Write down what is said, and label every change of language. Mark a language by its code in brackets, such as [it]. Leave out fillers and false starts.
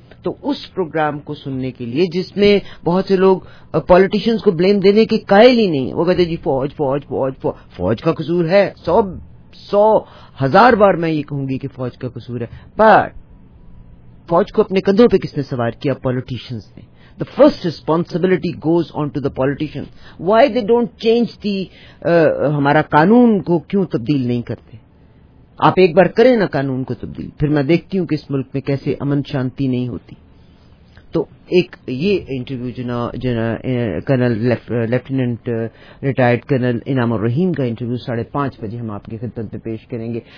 [ur] تو اس پروگرام کو سننے کے لیے جس میں بہت سے لوگ پالیٹیشنز کو بلیم دینے کے قائل ہی نہیں ہیں. وہ کہتے ہیں جی فوج فوج فوج فوج کا قصور ہے. سو ہزار بار میں یہ کہوں گی کہ فوج کا قصور ہے, بٹ فوج کو اپنے کندھوں پہ کس نے سوار کیا؟ پالیٹیشنز نے. [en] The first responsibility goes on to the politicians. Why they don't change the [ur] ہمارا قانون کو کیوں تبدیل نہیں کرتے؟ آپ ایک بار کریں نا قانون کو تبدیل, پھر میں دیکھتی ہوں کہ اس ملک میں کیسے امن شانتی نہیں ہوتی. تو ایک یہ interview colonel lieutenant retired colonel انعام الرحیم کا انٹرویو 5:30 بجے ہم آپ کی خدمت میں پیش کریں گے.